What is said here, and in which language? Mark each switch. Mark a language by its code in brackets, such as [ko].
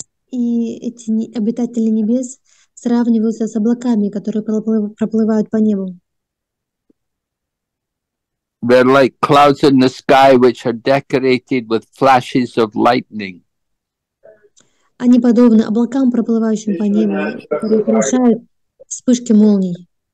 [ru] И эти обитатели небес сравниваются с облаками, которые проплывают по небу. [en] They're like clouds in the sky, which are decorated with flashes of lightning. [ru] Они подобны облакам, проплывающим по небу, которые украшают вспышки молний.